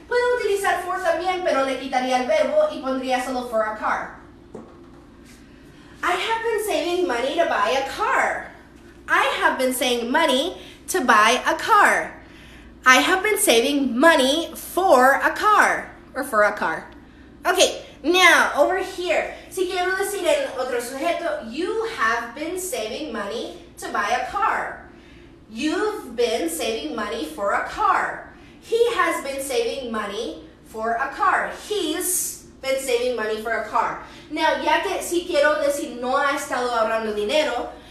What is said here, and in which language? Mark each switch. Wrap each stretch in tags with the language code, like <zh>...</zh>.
<es>puedo utilizar for también, pero le quitaría el verbo y pondría solo</es> <en>for a car. I have been saving money to buy a car. I have been saving money to buy a car. I have been saving money for a car. Or for a car. Okay, now over here.</en> <es>Si quiero decir en otro sujeto,</es> <en>you have been saving money to buy a car. You've been saving money for a car. He has been saving money for a car. He's been saving money for a car. Now,</en> <es>ya que si quiero decir no ha estado ahorrando dinero,</es>